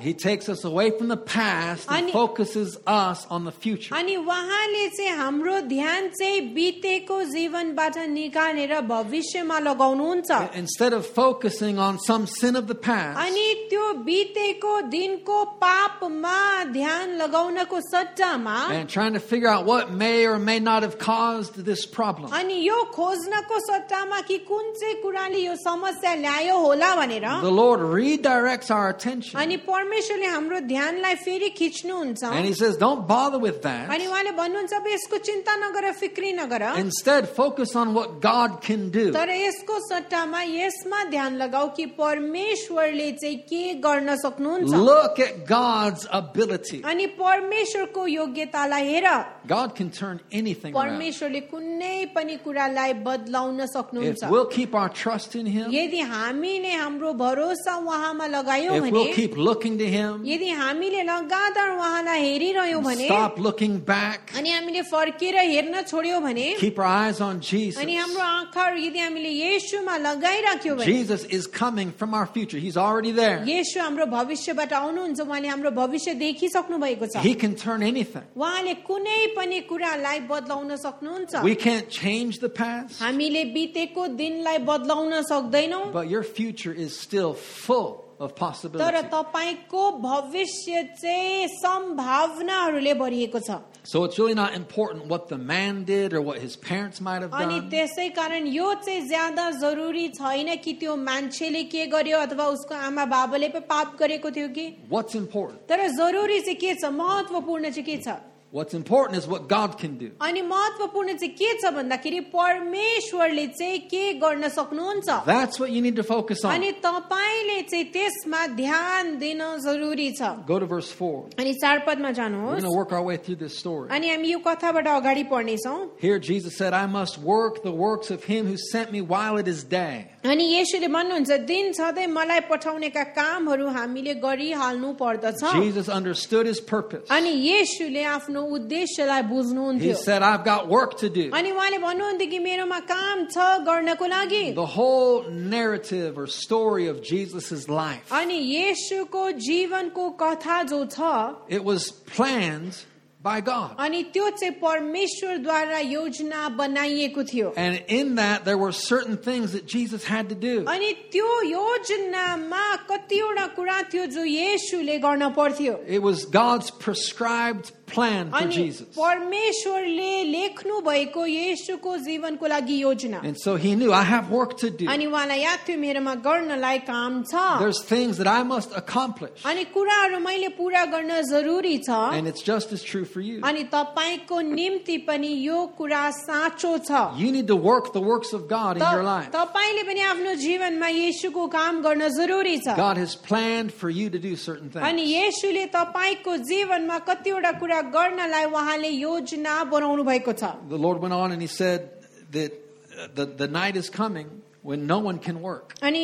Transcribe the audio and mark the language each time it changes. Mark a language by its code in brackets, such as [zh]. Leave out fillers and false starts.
[en] He takes us away from the past and focuses us on the future. [ne] अनि उहाँले चाहिँ हाम्रो ध्यान चाहिँ बितेको जीवनबाट निकालेर भविष्यमा लगाउनुहुन्छ. [en] Instead of focusing on some sin of the past. [ne] अनि त्यो बितेको दिनको पापमा ध्यान लगाउनको सट्टामा. [en] And trying to figure out what may or may not have caused this problem. [ne] अनि यो खोज्नको सट्टामा कि कुन चाहिँ कुराले यो समस्या ल्यायो होला भनेर. [en] The Lord redirects our attention. [ne] अनि परमेश्वरले हाम्रो ध्यानलाई फेरि खिच्नुहुन्छ. [en] And he says don't bother with that. [ne] अनि उहाँले भन्नुहुन्छ अब यसको चिन्ता नगर फिक्री नगर. [en] Instead focus on what God can do. [ne] तर यसको सट्टामा यसमा ध्यान लगाऊ कि परमेश्वरले चाहिँ के गर्न सक्नुहुन्छ. [en] Look at God's ability. [ne] अनि परमेश्वरको योग्यतालाई हेर. [en] God can turn anything around. [ne] परमेश्वरले कुनै पनि कुरालाई बदलाउन सक्नुहुन्छ. [en] If we'll keep our trust in him. [ne] यदि हामीले हाम्रो भरोसा उहाँमा लगायौ भने. [en] If we'll keep looking to him. [ne] यदि हामीले लगातार उहाँलाई हेरिरह्यौ भने. [en] Stop looking back. [ne] अनि हामीले फर्केर हेर्न छोड्यौ भने. [en] Keep our eyes on Jesus. [ne] अनि हाम्रो आँखाहरू यदि हामीले येशूमा लगाइराख्यो भने. [en] Jesus is coming from our future. He's already there. [ne] येशू हाम्रो भविष्यबाट आउनुहुन्छ. उहाँले हाम्रो भविष्य देखिसक्नु भएको छ. [en] He can turn anything. [ne] उहाँले कुनै पनि कुरालाई बदलाउन सक्नुहुन्छ. [en] We can't change the past. [ne] हामीले बितेको दिनलाई बदलाउन सक्दैनौ. [en] But your future is still full of possibility. [ne] तर तपाईको भविष्य चाहिँ सम्भावनाहरूले भरिएको छ. [en] So it's really not important what the man did or what his parents might have done. [ne] अनि त्यसै कारण यो चाहिँ ज्यादा जरुरी छैन कि त्यो मान्छेले के गर्यो अथवा उसको आमा बाबुले पाप गरेको थियो कि. [en] What's important? [ne] तर जरुरी चाहिँ के छ महत्त्वपूर्ण चाहिँ के छ? [en] What's important is what God can do. That's what you need to focus on. Go to verse 4. We're going to work our way through this story. Here Jesus said, I must work the works of him who sent me while it is day. [ne] अनि यीशुले भन्नुहुन्छ दिन छदै मलाई पठाउनेका कामहरू हामीले गरिहाल्नु पर्दछ. [en] Jesus understood his purpose. [ne] अनि यीशुले आफ्नो उद्देश्यलाई बुझ्नुहुन्थ्यो. [en] He said, I've got work to do. [ne] अनि उहाँले भन्नुहुन्थ्यो कि मेरोमा काम छ गर्नको लागि. [en] The whole narrative or story of Jesus's life. [ne] अनि यीशुको जीवनको कथा जो छ. [en] It was planned by God. [ne] अनि त्यो चाहिँ परमेश्वरद्वारा योजना बनाइएको थियो. [en] And in that there were certain things that Jesus had to do. [ne] अनि त्यो योजनामा कतिवटा कुरा थियो जो येशूले गर्न पर्थ्यो. [en] It was God's prescribed plan for Jesus. [ne] अनि परमेश्वरले लेख्नु भएको येशूको जीवनको लागि योजना. [en] And so he knew, I have work to do. [ne] अनि उहाँलाई याद थियो मेरोमा गर्नलाई काम छ. [en] There's things that I must accomplish. [ne] अनि कुराहरू मैले पूरा गर्न जरुरी छ. [en] And it's just as true for you. You need to work the works of God in your life. God has planned for you to do certain things. The Lord went on and he said that the night is coming when no one can work.